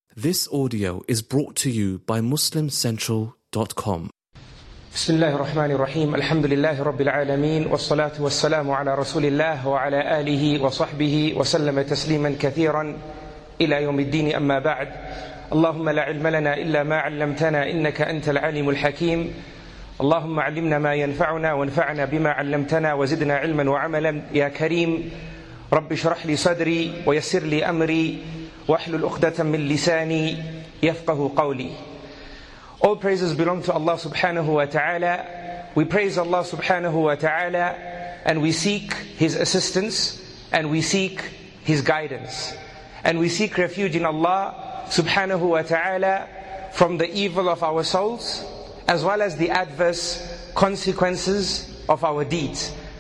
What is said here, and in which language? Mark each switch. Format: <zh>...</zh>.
<en>This audio is brought to you by MuslimCentral.com.</en> <ar>بسم الله الرحمن الرحيم الحمد لله رب العالمين والصلاة والسلام على رسول الله وعلى آله وصحبه وسلم تسليما كثيرا إلى يوم الدين أما بعد اللهم لا علم لنا إلا ما علمتنا إنك أنت العليم الحكيم اللهم علمنا ما ينفعنا وانفعنا بما علمتنا وزدنا علما وعملا يا كريم رب اشرح لي صدري ويسر لي أمري واحلل عقدة من لساني يفقه قولي.</ar> <en>All praises belong to Allah subhanahu wa ta'ala. We praise Allah subhanahu wa ta'ala and we seek His assistance and we seek His guidance. And we seek refuge in Allah subhanahu wa ta'ala from the evil of our souls as well as the adverse consequences of our deeds.</en>